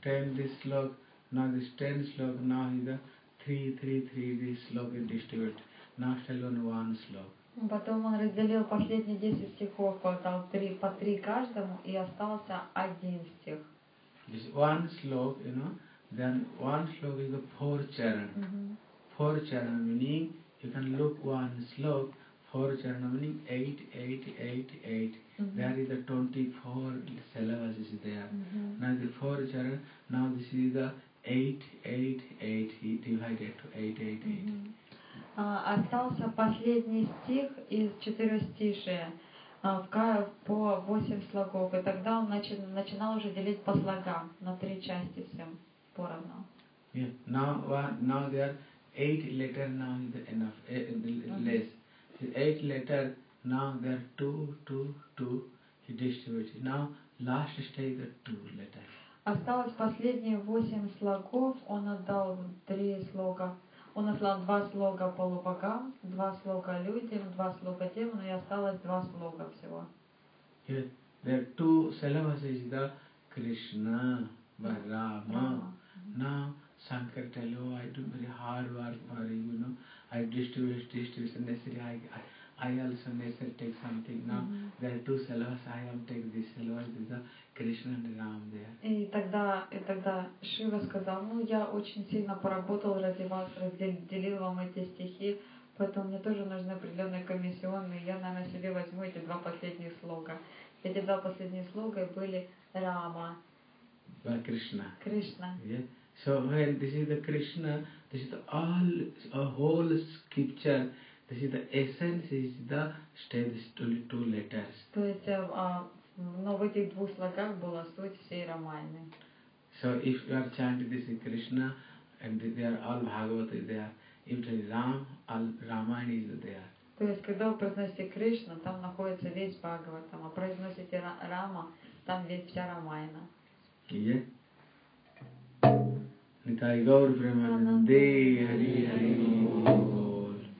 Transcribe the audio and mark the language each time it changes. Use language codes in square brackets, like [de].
[en] Now this 10 slok, now is the 3 3 3 this slok is distributed. Now still on one slok. [ru] Потом он разделил последние 10 стихов по 3 каждому, и остался один стих. [en] This one slok, you know, then one slok is the four charan. Mm-hmm. Four charan meaning, you can look one slok, four charan meaning 8, 8, 8, 8. Mm-hmm. There is the 24 syllabus is there. Mm-hmm. Now the four charan, now this is the 8, 8, 8, divided to 8, 8, 8. Mm-hmm. [ru] Остался последний стих из четверостишия по 8 слогов. И тогда он начинал уже делить по слогам на 3 части всем поровну. [en] Now there are 8 letters, now is enough, less. The 8 letters, now there are 2, 2, 2, he distributes. Now last stage the 2 letters. [ru] Осталось последние 8 слогов, он отдал 3 слога. Он отдал 2 слога полубогам, 2 слога людям, 2 слога демонам, и осталось 2 слога всего. [en] There are 2 syllables is the Krishna, Balarama. Now, Sankirtalo, I do very hard work for you, you know. I distribute necessary. I also necessary take something. Now, there are 2 syllables, I am take this syllable, this is the Krishna and Ram there. [ru] И тогда Шива сказал, ну, я очень сильно поработал ради вас, разделил вам эти стихи, поэтому мне тоже нужны определенные комиссионные, я, наверное, себе возьму эти 2 последних слога. Эти 2 последних слога были Рама. Да, Кришна. Кришна. [en] Yeah. So, when this is the Krishna, this is the all, a whole scripture. This is the essence is the stage, only 2 letters. [ru] То есть, но в этих 2 слогах была суть всей Рамайны. [en] So, if you are chanting this is Krishna, and they are all Bhagavata is there. If there is Ram, all Ramayana is there. [ru] То есть, когда вы произносите Кришна, там находится весь Бхагавата. А произносите Рама, там весь вся Рамайна. [en] Yeah. [bn] Нитай Гаур Премананде, Хари Хари Гаур.